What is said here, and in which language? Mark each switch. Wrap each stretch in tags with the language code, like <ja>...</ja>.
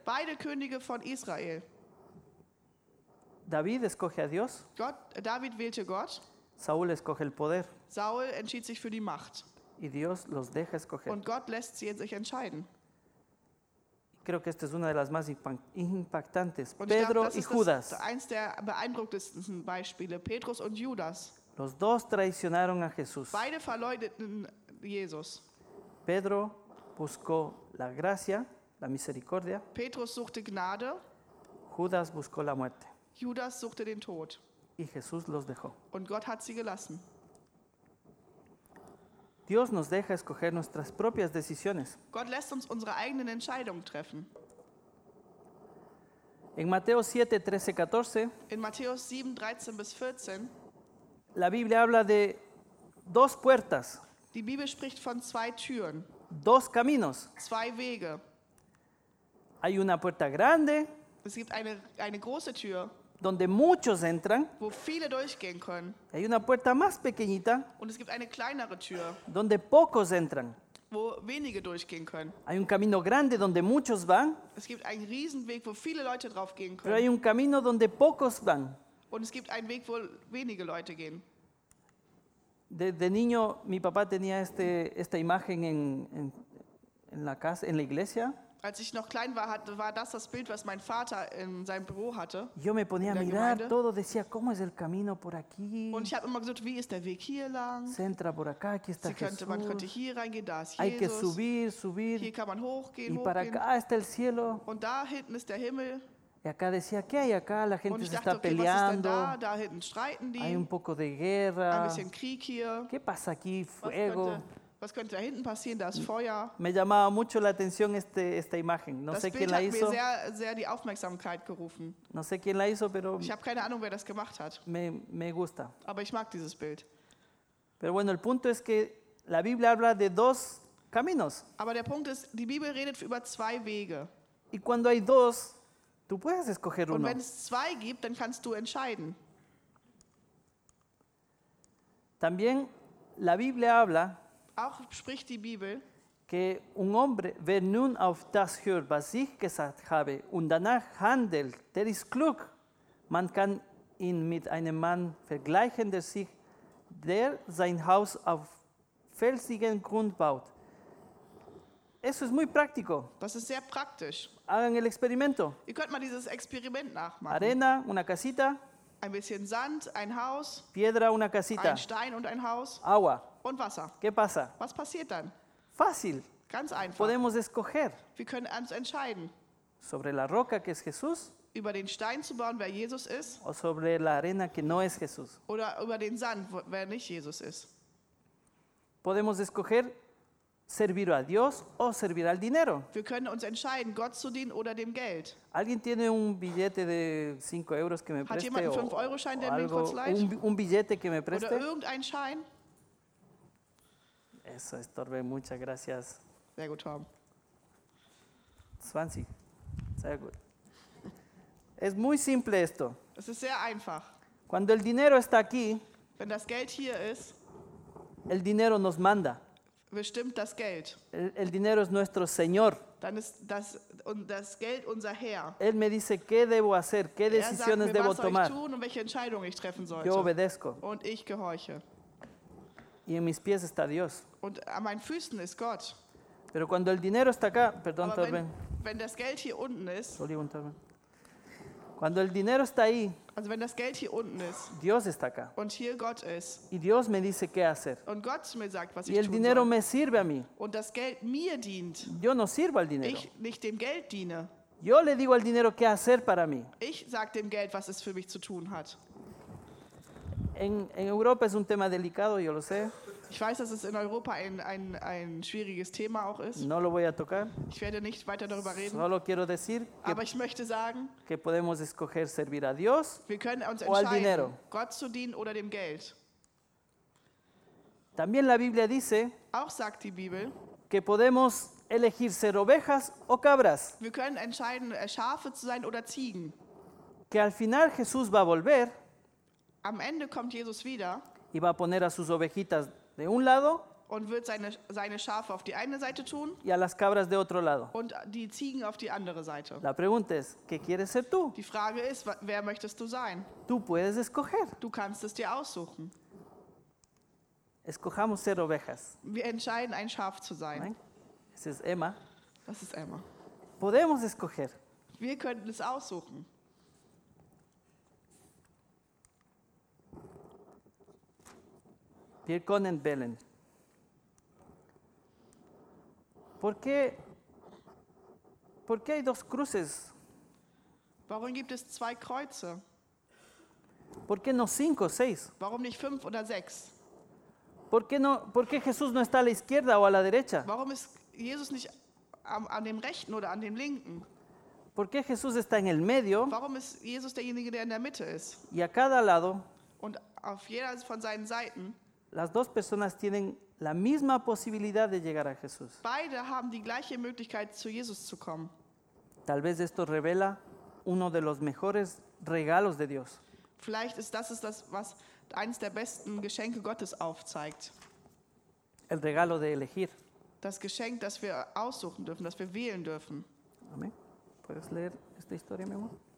<de>Beide Könige von Israel.</de> <es>David escoge a Dios.</es> <de>David wählte Gott.</de> <es>Saúl escoge el poder.</es> <de>Saul entschied sich für die Macht.</de> <es>Y Dios los deja escoger.</es> <de>Und Gott lässt sie sich entscheiden.</de> <es>Creo que esta es una de las más impactantes. Pedro y Judas.</es> <de>Das ist eins der beeindruckendsten Beispiele. Petrus und Judas.</de> <es>Los dos traicionaron a Jesús.</es> <de>Beide verleugneten Jesus.</de> <es>Pedro buscó la gracia, la misericordia.</es> <de>Petrus suchte Gnade.</de> <es>Judas buscó la muerte.</es> <de>Judas suchte den Tod.</de> <es>Y Jesús los dejó.</es> <de>Und Gott hat sie gelassen.</de> <es>Dios nos deja escoger nuestras propias decisiones.</es> <de>Gott lässt uns unsere eigenen Entscheidungen treffen.</de> <es>En Mateo 7:13-14.</es> <de>In Matthäus 7:13-14.</de> <es>La Biblia habla de dos puertas.</es> <de>Die Bibel spricht von zwei Türen.</de> <es>Dos caminos.</es> <de>Zwei Wege.</de> <es>Hay una puerta grande.</es> <de>Es gibt eine große Tür.</de> <es>Donde muchos entran.</es> <de>Wo viele durchgehen können.</de> <es>Hay una puerta más pequeñita.</es> <de>Und es gibt eine kleinere Tür.</de> <es>Donde pocos entran.</es> <de>Wo wenige durchgehen können.</de> <es>Hay un camino grande donde muchos van.</es> <de>Es gibt einen Riesenweg, wo viele Leute drauf gehen können.</de> <es>Pero hay un camino donde pocos van.</es> <de>Und es gibt einen Weg, wo wenige Leute gehen.</de> <es>De niño, mi papá tenía esta imagen en la casa, en la iglesia.</es> <de>Als ich noch klein war, war das Bild, was mein Vater in seinem Büro hatte.</de> <es>Yo me ponía a mirar todo, decía, ¿cómo es el camino por aquí?</es> <de>Und ich habe immer gesagt, wie ist der Weg hier lang?</de> <es>Se entra por acá, aquí está Jesús.</es> <de>Man könnte hier reingehen, da ist Jesus.</de> <es>Hay que subir.</es> <de>Hier kann man hochgehen.</de> <es>Y para acá está el cielo.</es> <de>Und da hinten ist der Himmel.</de> <es>Y acá decía, ¿qué hay acá? La gente se está peleando.</es> <de>Und ich dachte, okay, was ist denn da? Da hinten streiten die.</de> <es>Hay un poco de guerra.</es> <de>Ein bisschen Krieg hier.</de> <es>¿Qué pasa aquí? Fuego.</es> <de>Was könnte da hinten passieren? Da ist Feuer.</de> <es>Me llamaba mucho la atención esta imagen. No</es> <de>das</de> <es>sé</es> <de>Bild</de> <es>quién la</es> <de>hat</de> <es>hizo.</es> <de>Mir sehr, sehr die Aufmerksamkeit gerufen.</de> <es>No sé quién la hizo, pero</es> <de>ich habe keine Ahnung, wer das gemacht hat.</de> <es>Me gusta.</es> <de>Aber ich mag dieses Bild.</de> <es>Pero bueno, el punto es que la Biblia habla de dos caminos.</es> <de>Aber der Punkt ist, die Bibel redet über zwei Wege.</de> <es>Y cuando hay dos, tú puedes escoger uno.</es> <de>Und wenn es zwei gibt, dann kannst du entscheiden.</de> <es>También la Biblia habla.</es> <de>Auch spricht die Bibel,</de> <es>que un hombre,</es> <de>wer nun auf das hört, was ich gesagt habe, und danach handelt, der ist klug. Man kann ihn mit einem Mann vergleichen, der sein Haus auf felsigen Grund baut.</de> <es>Eso es muy práctico.</es> <de>Das ist sehr praktisch.</de> <es>Hagan el experimento.</es> <de>Ihr könnt mal dieses Experiment nachmachen.</de> <es>Arena, una casita.</es> <de>Ein bisschen Sand, ein Haus.</de> <es>Piedra, una casita.</es> <de>Ein Stein und ein Haus.</de> <es>Agua.</es> <de>Und Wasser.</de> <es>¿Qué pasa?</es> <de>Was passiert dann?</de> <es>Fácil.</es> <de>Ganz einfach.</de> <es>Podemos escoger.</es> <de>Wir können uns entscheiden.</de> <es>Sobre la roca que es Jesús.</es> <de>Über den Stein zu bauen, wer Jesus ist.</de> <es>O sobre la arena que no es Jesús.</es> <de>Oder über den Sand, wer nicht Jesus ist.</de> <es>Podemos escoger servir a Dios o servir al dinero.</es> <de>Wir können uns entscheiden, Gott zu dienen oder dem Geld.</de> <es>¿Alguien tiene un billete de 5 euros que me preste?</es> <de>Hat jemand einen 5-Euro-Schein, der mir kurz leiht?</de> <es>Un billete que me preste.</es> <de>Oder irgendein Schein?</de> <es>Eso es Torbe, muchas gracias.</es> <de>Sehr gut, Tom.</de> <es>20.</es> <de>Sehr gut.</de> <es>Es muy simple esto.</es> <de>Es ist sehr einfach.</de> <es>Cuando el dinero está aquí,</es> <de>wenn das Geld hier ist,</de> <es>el dinero nos manda.</es> <de>Bestimmt das Geld.</de> <es>El dinero es nuestro señor.</es> <de>Dann ist das Geld unser Herr.</de> <es>Él me dice qué debo hacer, qué decisiones debo tomar.</es> <de>Ich tun und welche Entscheidung ich treffen sollte.</de> <es>Yo obedezco.</es> <de>Und ich gehorche.</de> <es>Y en mis pies está Dios.</es> <de>Und an meinen Füßen ist Gott.</de> <es>Pero cuando el dinero está acá, perdón, Torben.</es> <de>Wenn das Geld hier unten ist. Entschuldigung, Torben.</de> <es>Cuando el dinero está ahí,</es> <de>also wenn das Geld hier unten ist,</de> <es>Dios está acá.</es> <de>Und hier Gott ist,</de> <es>y Dios me dice qué hacer.</es> <de>Und Gott mir sagt, was</de> <es>y el dinero me sirve a mí.</es> <de>Und das Geld mir dient.</de> <es>Yo no sirvo al dinero.</es> <de>Ich nicht dem Geld diene.</de> <es>Yo le digo al dinero qué hacer para mí.</es> <de>Ich sag dem Geld, was es für mich zu tun hat.</de> <es>En Europa es un tema delicado, yo lo sé.</es> <de>Ich weiß, dass es in Europa ein schwieriges Thema auch ist.</de> <es>No lo voy a tocar.</es> <de>Ich werde nicht weiter darüber reden.</de> <es>Solo quiero decir</es> <de>que, aber ich möchte sagen,</de> <es>que podemos escoger servir a Dios</es> <de>wir können uns entscheiden, Gott zu dienen oder dem Geld.</de> <es>También la Biblia dice,</es> <de>auch sagt die Bibel,</de> <es>que podemos elegir ser ovejas o cabras.</es> <de>Wir können entscheiden, Schafe zu sein oder Ziegen.</de> <es>Que al final Jesús va a volver,</es> <de>am Ende kommt Jesus wieder</de> <es>y va a poner a sus ovejitas de un lado,</es> <de>und wird seine Schafe auf die eine Seite tun</de> <es>y a las cabras de otro lado.</es> <de>Und die Ziegen auf die andere Seite.</de> <es>La pregunta es, ¿qué quieres ser tú?</es> <de>Die Frage ist, wer möchtest du sein?</de> <es>Tú puedes escoger.</es> <de>Du kannst es dir aussuchen.</de> <es>Escojamos ser ovejas.</es> <de>Wir entscheiden, ein Schaf zu sein. Nein. Es ist Emma. Das ist Emma.</de> <es>Podemos escoger.</es> <de>Wir könnten es aussuchen. Wir können wählen.</de> <es>¿Por qué hay dos cruces?</es> <de>Warum gibt es zwei Kreuze?</de> <es>¿Por qué no cinco, seis?</es> <de>Warum nicht fünf oder sechs?</de> <es>¿Por qué Jesús no está a la izquierda o a la derecha?</es> <de>Warum ist Jesus nicht an dem rechten oder an dem linken?</de> <es>¿Por qué Jesús está en el medio?</es> <de>Warum ist Jesus derjenige, der in der Mitte ist?</de> <es>Y a cada lado.</es> <de>Und auf jeder von seinen Seiten.</de> <es>Las dos personas tienen la misma posibilidad de llegar a Jesús.</es> <de>Beide haben die gleiche Möglichkeit, zu Jesus zu kommen.</de> <es>Tal vez esto revela uno de los mejores regalos de Dios.</es> <de>Vielleicht ist das das, was eines der besten Geschenke Gottes aufzeigt.</de> <es>El regalo de elegir.</es> <de>Das Geschenk, das wir aussuchen dürfen, das wir wählen dürfen.</de> <es>Amen. ¿Puedes leer esta historia, mi amor?</es>